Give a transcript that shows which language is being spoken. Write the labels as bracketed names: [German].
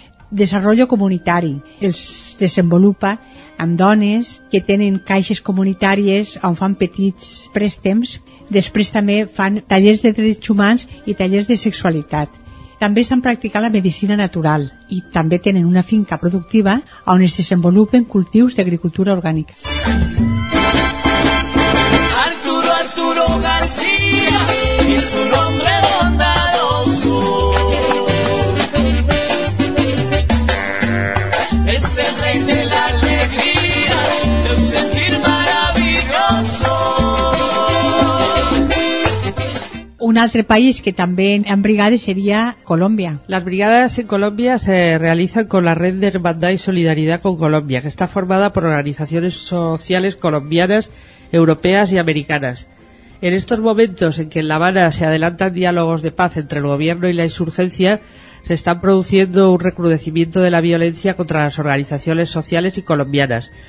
[Catalan] Desenvolupament comunitari, els desenvolupa amb dones que tenen caixes comunitàries on fan petits préstems. Després també fan tallers de drets humans i tallers de sexualitat. També estan practicant la medicina natural i també tenen una finca productiva on es desenvolupen cultius d'agricultura orgànica. [Spanish] Arturo, Arturo García es un hombre bondadoso. Es el rey de la alegría, de un sentir maravilloso. [Catalan] Un altre país que també en brigades seria Colòmbia. Les brigades en Colòmbia se realizan con la red de hermandad y solidaridad con Colòmbia, que está formada por organizaciones sociales colombianas, europeas y americanas. En estos momentos en que en La Habana se adelantan diálogos de paz entre el gobierno y la insurgencia, se está produciendo un recrudecimiento de la violencia contra las organizaciones sociales y colombianas.